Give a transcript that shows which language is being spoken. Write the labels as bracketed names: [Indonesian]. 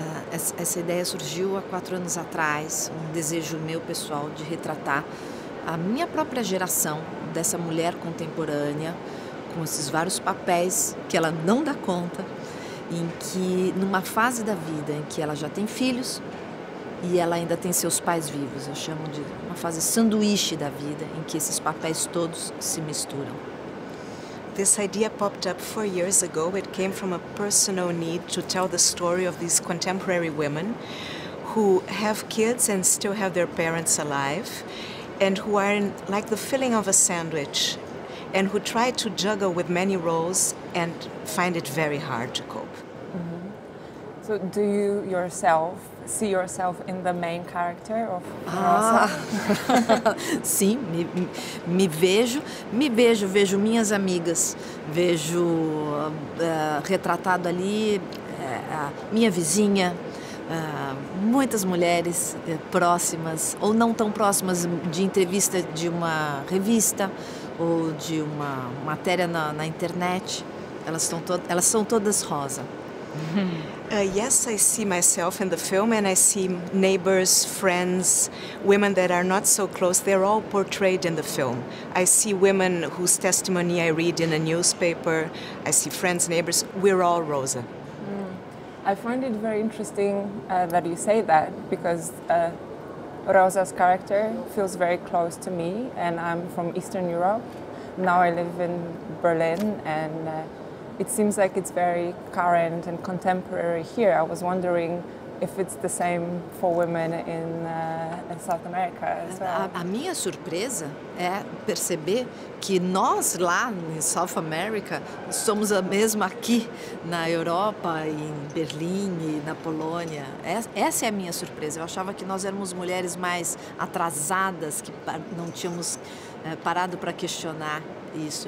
[Portuguese] Essa ideia surgiu há 4 anos atrás, um desejo meu pessoal de retratar a minha própria geração dessa mulher contemporânea, com esses vários papéis que ela não dá conta, em que, numa fase da vida em que ela já tem filhos e ela ainda tem seus pais vivos, eu chamo de uma fase sanduíche da vida, em que esses papéis todos se misturam. [English] This idea popped up 4 years ago. It came from a personal need to tell the story of these contemporary women who have kids and still have their parents alive and who are in, like the filling of a sandwich, and who try to juggle with many roles and find it very hard to cope. Mm-hmm. So do you yourself see yourself in the main character of Rosa? [Portuguese] Sim, me vejo. Me vejo, vejo minhas amigas. Vejo retratado ali a minha vizinha. Muitas mulheres próximas ou não tão próximas de entrevista de uma revista ou de uma matéria na internet, elas são todas Rosa. [English] Yes, I see myself in the film, and I see neighbors, friends, women that are not so close. They're all portrayed in the film. I see women whose testimony I read in a newspaper. I see friends, neighbors. We're all Rosa. I find it very interesting that you say that, because Rosa's character feels very close to me, and I'm from Eastern Europe. Now I live in Berlin, and it seems like it's very current and contemporary here. I was wondering if it's the same for women in South America as well. [Portuguese] A minha surpresa é perceber que nós lá em South America somos a mesma aqui na Europa, em Berlim e na Polônia. Essa é a minha surpresa. Eu achava que nós éramos mulheres mais atrasadas, que não tínhamos parado para questionar isso.